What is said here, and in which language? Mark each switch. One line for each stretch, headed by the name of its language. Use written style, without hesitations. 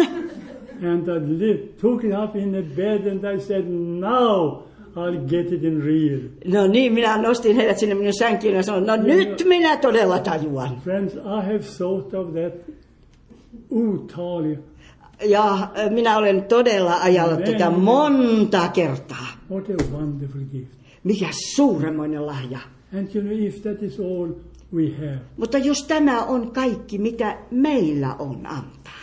English: And I took it up in the bed and I said, now I'll get it in real.
Finnish: No niin, minä nostin heidät sinne minun sänkiin ja sanoin, no you nyt know, minä todella tajuan.
English: Friends, I have thought of that utali.
Finnish: Ja minä olen todella ajallut tätä monta kertaa.
English: What a wonderful gift.
Finnish: Mikä suuremmoinen lahja.
English: And you know, if that is all we have.
Finnish: Mutta jos tämä on kaikki, mitä meillä on antaa.